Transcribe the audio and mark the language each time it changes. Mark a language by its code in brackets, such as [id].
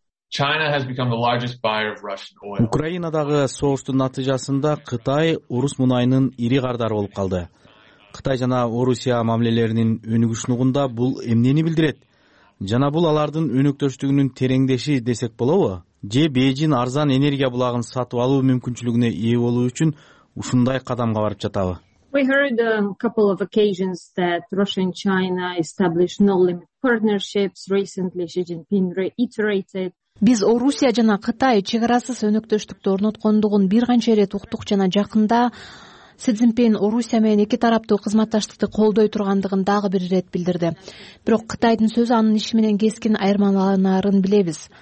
[en] China has become the largest buyer of Russian oil. [ky] Украинадагы согуштун натыйжасында Кытай орус мунайынын ири кардары болуп калды. Кытай жана Орусия мамилелеринин өнүгүшүнүгүндө бул эмнени билдирет? Жана бул алардын өнөктөштүгүнүн тереңдеши десек болобу? Же Бейжин арзан энергия булагын сатып алуу мүмкүнчүлүгүнө ээ болуу үчүн ушундай кадамга барып жатабы? [en] We heard a couple of occasions that Russia and China established no-limit partnerships. Recently, Xi Jinping reiterated. [ky] Биз Орусия жана Кытай чек арасыз өнөктөштүктү орноткондугун бир канча ирет уктук жана жакында Си Цзиньпин Орусия менен эки тараптуу кызматташтыкты колдой тургандыгын дагы бир ирет билдирди. Бирок Кытайдын сөзү анын иши менен кескин айырмаланарын билебиз.